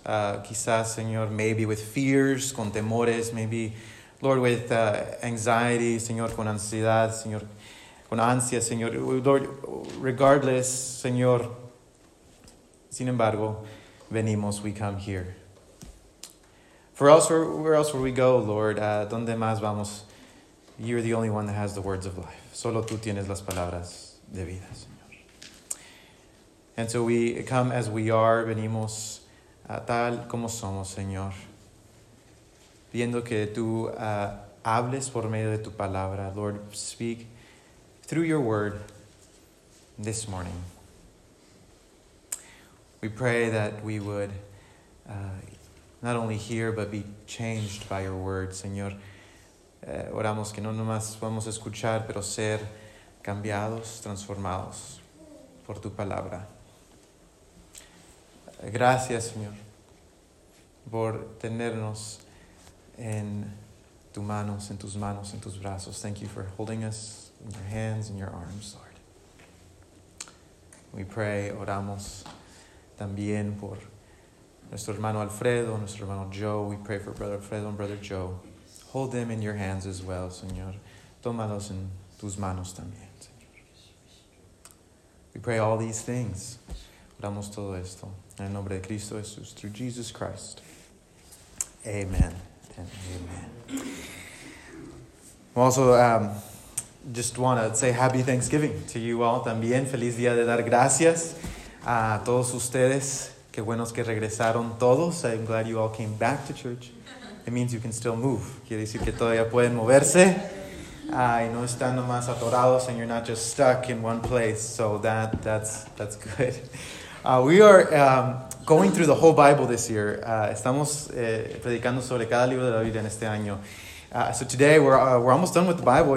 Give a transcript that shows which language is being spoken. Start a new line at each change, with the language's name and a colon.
Spanish: Quizás, Señor,
English: maybe with fears,
Spanish: con temores,
English: maybe, Lord, with anxiety,
Spanish: Señor, con ansiedad, Señor, con ansia, Señor.
English: Lord, regardless,
Spanish: Señor, sin embargo, venimos,
English: we come here. For else, where else will we go, Lord?
Spanish: ¿Dónde más vamos?
English: You're the only one that has the words of life.
Spanish: Solo tú tienes las palabras de vida, Señor.
English: And so we come as we are,
Spanish: venimos tal como somos, Señor, viendo que tú hables por medio de tu palabra.
English: Lord, speak through your word this morning. We pray that we would not only hear, but be changed by your word, Señor.
Spanish: Oramos que no nomás podamos escuchar, pero ser cambiados, transformados por tu palabra. Gracias, Señor, por tenernos en tu manos, en tus manos, en tus brazos.
English: Thank you for holding us in your hands, in your arms, Lord. We pray,
Spanish: oramos también por nuestro hermano Alfredo, nuestro hermano Joe.
English: We pray for brother Alfredo and brother Joe. Hold them in your hands as well, Señor.
Spanish: Tómalos en tus manos también, Señor.
English: We pray all these things.
Spanish: Oramos todo esto. En el nombre de Cristo Jesús,
English: through Jesus Christ. Amen and amen. We also just want to say happy Thanksgiving to you all.
Spanish: También feliz día de dar gracias a todos ustedes. Qué buenos que regresaron todos.
English: I'm glad you all came back to church. It means you can still move.
Spanish: Quiere decir que todavía pueden moverse. Y no están nomás atorados,
English: and you're not just stuck in one place. So that's good. We are going through the whole Bible this year.
Spanish: Estamos predicando sobre cada libro de la Biblia en este año.
English: So today we're almost done with the Bible.